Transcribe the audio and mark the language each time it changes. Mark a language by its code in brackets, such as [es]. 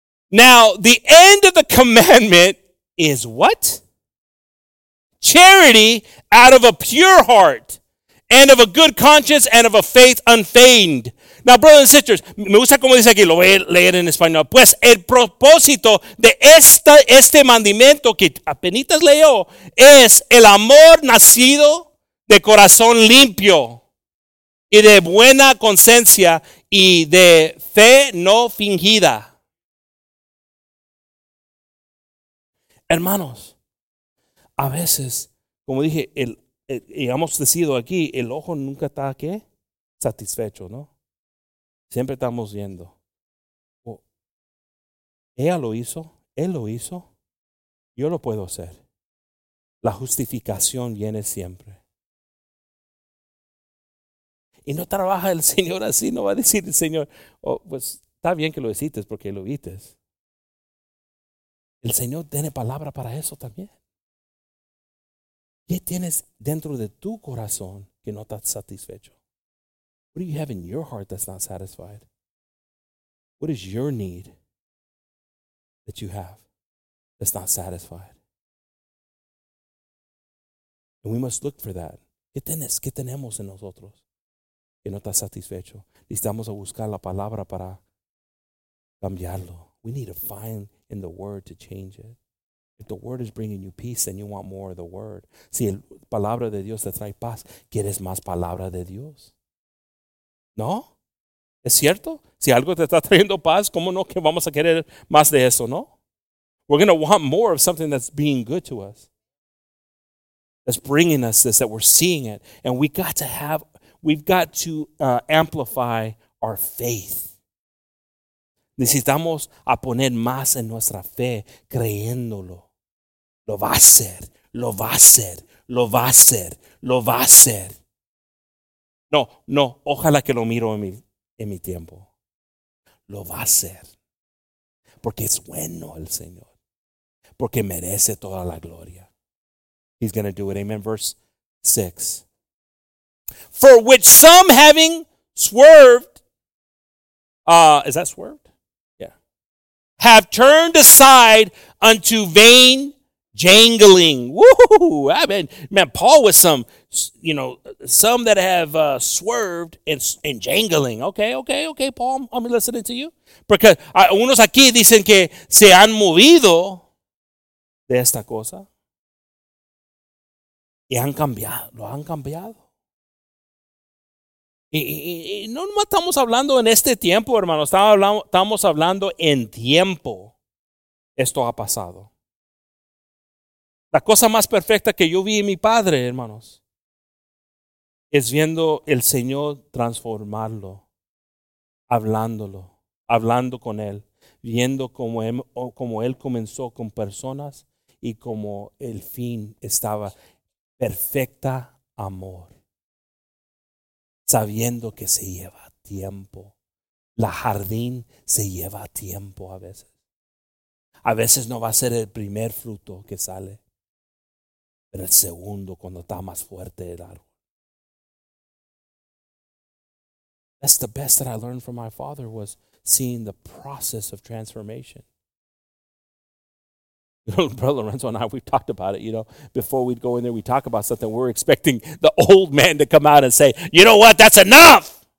[en] Now, the end of the commandment is what? Charity out of a pure heart and of a good conscience and of a faith unfeigned. Now, brothers and sisters, [es] me gusta como dice aquí, lo voy a leer en español. Pues el propósito de este mandamiento que apenitas leyó es el amor nacido de corazón limpio y de buena conciencia y de fe no fingida. Hermanos, a veces, como dije, y hemos decidido aquí, el ojo nunca está, ¿qué? Satisfecho, ¿no? Siempre estamos viendo. Oh, ella lo hizo. Él lo hizo. Yo lo puedo hacer. La justificación viene siempre. Y no trabaja el Señor así. No va a decir el Señor, oh, pues está bien que lo hiciste porque lo viste. El Señor tiene palabra para eso también. ¿Qué tienes dentro de tu corazón que no estás satisfecho? [en] What do you have in your heart that's not satisfied? What is your need that you have that's not satisfied? And we must look for that. [es] ¿Qué tenemos en nosotros que no está satisfecho? Necesitamos a buscar la palabra para cambiarlo. [en] We need to find in the word to change it. If the word is bringing you peace, then you want more of the word. [es] Si la palabra de Dios te trae paz, quieres más palabra de Dios. ¿No? ¿Es cierto? Si algo te está trayendo paz, ¿cómo no que vamos a querer más de eso, no? [en] We're going to want more of something that's being good to us. That's bringing us this, that we're seeing it. And we've got to amplify our faith. [es] Necesitamos a poner más en nuestra fe, creyéndolo. Lo va a hacer. Lo va a hacer. Lo va a hacer. Lo va a hacer. No, ojalá que lo miro en mi tiempo. Lo va a hacer. Porque es bueno el Señor. Porque merece toda la gloria. [en] He's going to do it. Amen. Verse 6. For which some having swerved, is that swerved? Yeah. Have turned aside unto vain jangling. Woo-hoo-hoo. I mean, man, Paul was some, you know, some that have swerved and jangling. Okay, Paul, I'm listening to you. [es] Porque unos aquí dicen que se han movido de esta cosa. Y han cambiado, lo han cambiado. Y no nomás estamos hablando en este tiempo, hermano. Estamos hablando en tiempo. Esto ha pasado. La cosa más perfecta que yo vi en mi padre, hermanos, es viendo el Señor transformarlo, hablándolo, hablando con él, viendo cómo él comenzó con personas y cómo el fin estaba perfecta amor, sabiendo que se lleva tiempo. La jardín se lleva tiempo a veces. A veces no va a ser el primer fruto que sale. Pero el segundo, cuando está más fuerte el árbol. [en] That's the best that I learned from my father, was seeing the process of transformation. Brother Lorenzo and I, we've talked about it, you know. Before we'd go in there, we talk about something. We're expecting the old man to come out and say, you know what, that's enough.